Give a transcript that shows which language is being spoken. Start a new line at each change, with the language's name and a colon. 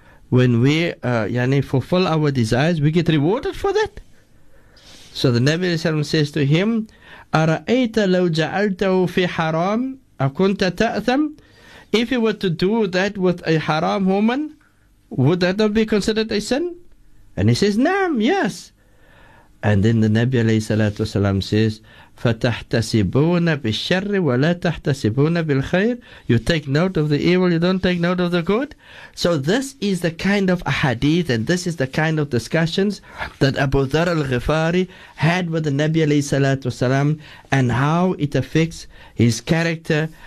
English: When we fulfill our desires, we get rewarded for that. So the Nabi says to him,
Arabic: أرأيت لو جعلته في حرام أكنت تأثم.
English: If you were to do that with a haram woman, would that not be considered a sin? And he says, Naam, yes. And then the Nabi alayhi salatu wasalam says,
Arabic: فَتَحْتَسِبُونَ بِالشَّرِّ وَلَا تَحْتَسِبُونَ بِالْخَيْرِ.
English: You take note of the evil, you don't take note of the good. So this is the kind of hadith and this is the kind of discussions that Abu Dharr al-Ghifari had with the Nabi alayhi salatu wasalam and how it affects his character.